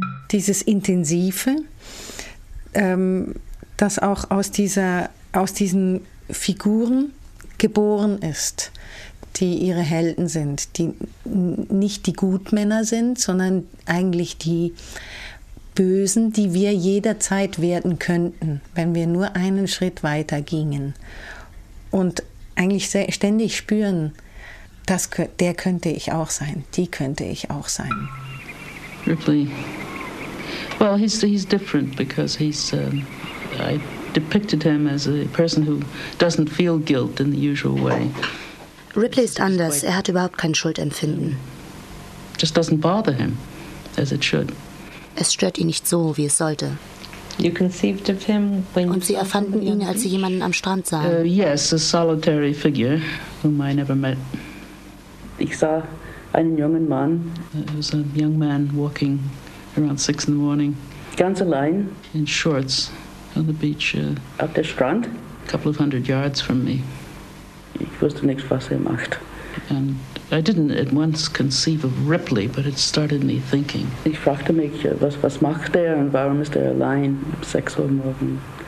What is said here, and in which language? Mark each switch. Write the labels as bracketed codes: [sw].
[de] Dieses Intensive, das auch aus diesen Figuren geboren ist, die ihre Helden sind, die nicht die Gutmänner sind, sondern eigentlich die Bösen, die wir jederzeit werden könnten, wenn wir nur einen Schritt weiter gingen und eigentlich ständig spüren, der könnte ich auch sein, die könnte ich auch sein. Ripley. [en] Well, he's different because he's I depicted him as a person who doesn't feel guilt in the usual way. [de] Ripley ist anders. Er hat überhaupt kein Schuldempfinden. [en] Just doesn't bother him as it should. [de] Es stört ihn nicht so, wie es sollte. [en] You conceived of him when [de] und Sie erfanden ihn, als Sie jemanden am Strand sahen. [en] Yes, a solitary figure whom I never met. [de] Ich sah einen jungen Mann. [en] It was a young man walking around 6 in the morning. [de] Ganz allein. [en] In shorts on the beach. [de] Auf der Strand. [en] A couple of hundred yards from me. [de] Ich wusste nichts, was er macht. [en] And I didn't at once conceive of Ripley, but it started me thinking. [de] Ich fragte mich, was macht er und warum ist er allein um 6 Uhr morgen?